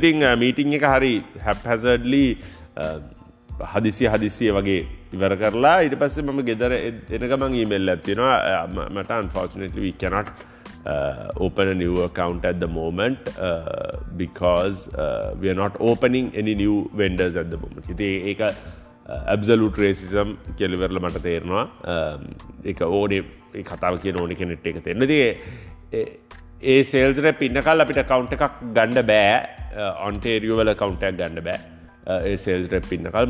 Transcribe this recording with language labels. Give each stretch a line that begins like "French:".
Sinhala: ඉතින් meeting එක හරි haphazardly හදිසි වගේ ඉවර කරලා ඊට පස්සේ මම ගෙදර එනකම් මං ඊමේල් එකක් තියෙනවා.
English: මට unfortunately we cannot open a new account at the moment because we are not opening any new vendors at the moment.
Sinhala: ඉතින් ඒක
English: absolute racism
Sinhala: කියලා ඉවරලා මට තේරෙනවා. ඒක ඕනේ මේ කතාව කියන ඕනේ කෙනෙක්ට ඒක තේරෙන්න. ඉතින් ඒ sales rep ඉන්නකල් අපිට account එකක් ගන්න බෑ. Ontario වල account එකක් ගන්න බෑ. ඒ සේල්ස් රෙප් ඉන්නකල්.